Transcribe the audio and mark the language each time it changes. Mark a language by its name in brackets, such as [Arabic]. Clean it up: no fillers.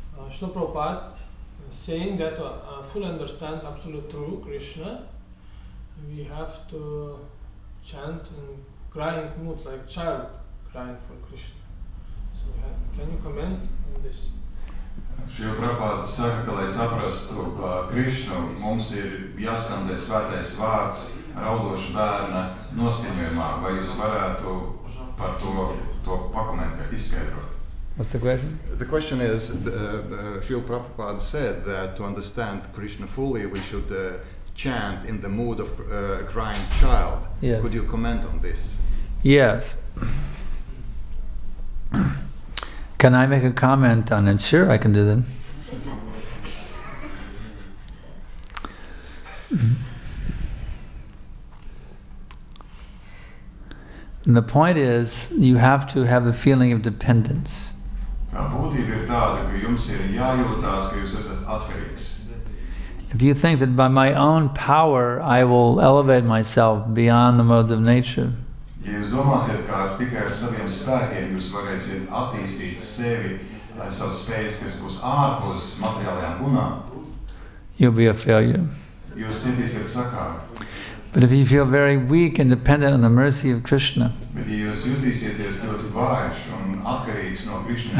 [English] Shri Prabhupada saying that to fully understand absolute true Krishna, we have to chant in crying mood, like child crying for Krishna. So can you comment on this? [Latvian] Šī Prabhupāda saka, ka, lai saprastu Krišnu, mums ir jāskandē svētais vārds raudošu bērna noskaņojumā. Vai jūs varētu par to pakomentēt, izskaidrot? [English] What's the question? The question is, Śrīla Prabhupāda said that to understand Krishna fully, we should chant in the mood of a crying child. Yes. Could you comment on this? Yes. Can I make a comment on it? Sure, I can do that. And the point is, you have to have a feeling of dependence. If you think that by my own power I will elevate myself beyond the modes of nature, [Latvian] ja jūs domāsiet, ka tikai ar saviem spēkiem jūs varēsiet attīstīt sevi, savas spējas, kas būs ārpus materiālajām gunām, [English] you'll be a failure. [Latvian] Jūs centīsiet sakāt. [English] But if you feel very weak and dependent on the mercy of Krishna, [Latvian] bet ja jūs jūtīsieties ļoti vājš un atkarīgs no Krishna,